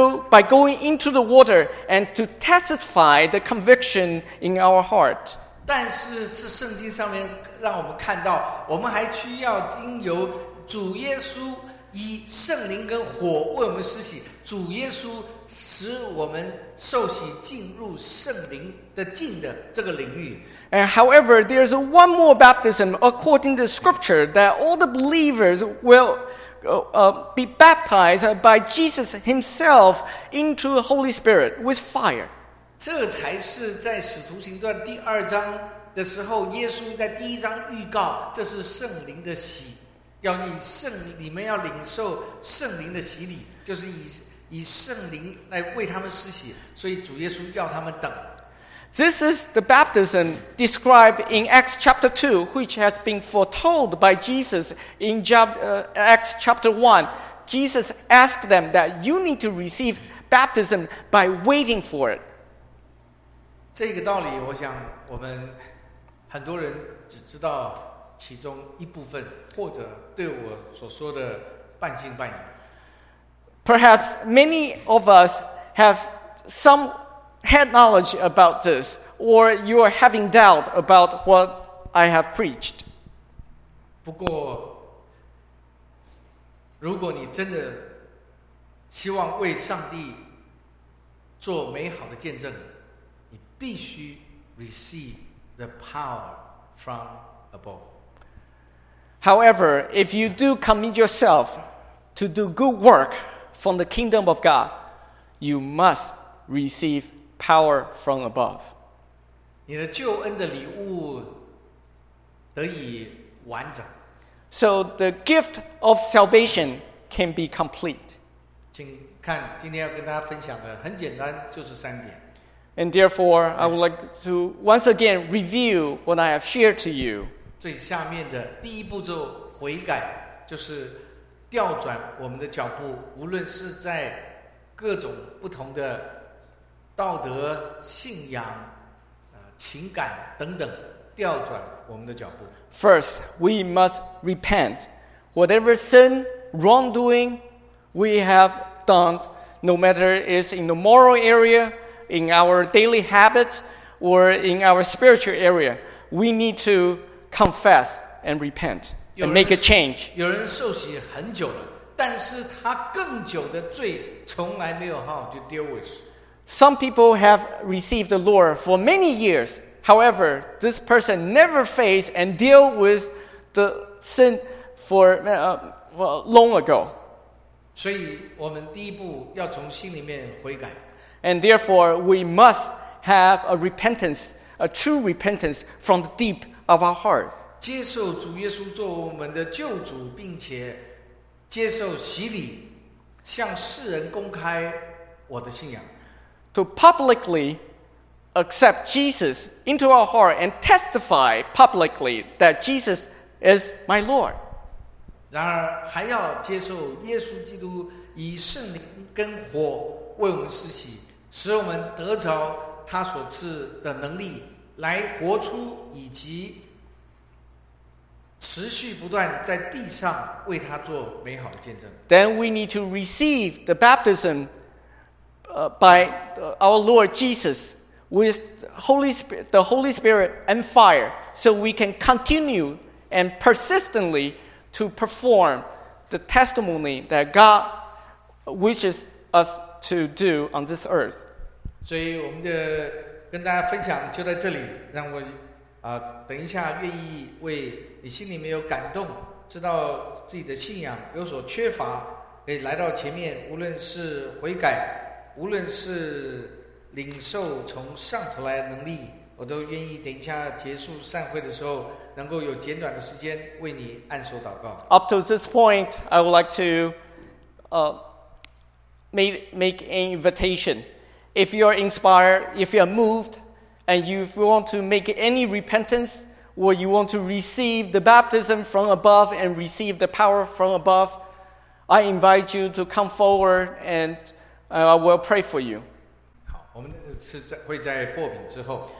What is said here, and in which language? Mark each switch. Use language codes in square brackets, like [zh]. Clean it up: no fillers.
[en] By going into the water and to testify the conviction in our heart. [zh] 但是是圣经上面让我们看到，我们还需要经由主耶稣以圣灵跟火为我们施洗，主耶稣使我们受洗进入圣灵的境的这个领域。 [en] And however, there is one more baptism according to Scripture that all the believers will be baptized by Jesus Himself into the Holy Spirit with fire. [zh] 这才是在使徒行传第二章的时候，耶稣在第一章预告，这是圣灵的洗。要以圣灵，你们要领受圣灵的洗礼，就是以圣灵来为他们施洗，所以主耶稣要他们等。 [en] This is the baptism described in Acts chapter 2, which has been foretold by Jesus in Acts chapter 1. Jesus asked them that you need to receive baptism by waiting for it. [zh] 这个道理，我想我们很多人只知道其中一部分，或者对我所说的半信半疑。 [en] Perhaps many of us have some had knowledge about this, or you are having doubt about what I have preached. [zh] 不过，如果你真的希望为上帝做美好的见证，你必须 [en] receive the power from above. However, if you do commit yourself to do good work from the kingdom of God, you must receive power from above. [zh] 你的救恩的礼物得以完整。 [en] So the gift of salvation can be complete. [zh] 请看，今天要跟大家分享的很简单，就是三点。 [en] And therefore, I would like to once again review what I have shared to you. [zh] 最下面的第一步骤，悔改，就是调转我们的脚步，无论是在各种不同的道德、信仰、情感等等，调转我们的脚步。 [en] First, we must repent. Whatever sin, wrongdoing we have done, no matter it's in the moral area, in our daily habit, or in our spiritual area, we need toconfess and repent and make a change. [zh] 有人受洗很久了，但是他更久的罪从来没有好好去 [en] deal with. Some people have received the Lord for many years. However, this person never faced and deal with the sin for long ago. [zh] 所以我们第一步要从心里面悔改。 [en] And therefore, we must have a repentance, a true repentance from the deep. Of our heart. [zh] 接受主耶稣做我们的救主，并且接受洗礼，向世人公开我的信仰。 [en] To publicly accept Jesus into our heart and testify publicly that Jesus is my Lord. [zh] 然而，还要接受耶稣基督以圣灵跟火为我们施洗，使我们得着他所赐的能力。来活出以及持续不断在地上为他做美好的见证。 [en] Then we need to receive the baptism by our Lord Jesus with the Holy Spirit and fire so we can continue and persistently to perform the testimony that God wishes us to do on this earth. [zh] 所以我们的跟大家分享就在这里，让我等一下愿意为你心里没有感动，知道自己的信仰有所缺乏，可以来到前面，无论是悔改，无论是领受从上头来的能力，我都愿意等一下结束散会的时候，能够有简短的时间为你按手祷告。 [en] Up to this point, I would like to make an invitation. If you are inspired, if you are moved, and you want to make any repentance, or you want to receive the baptism from above and receive the power from above, I invite you to come forward and I will pray for you. [zh] 好，我们是会在擘饼之后。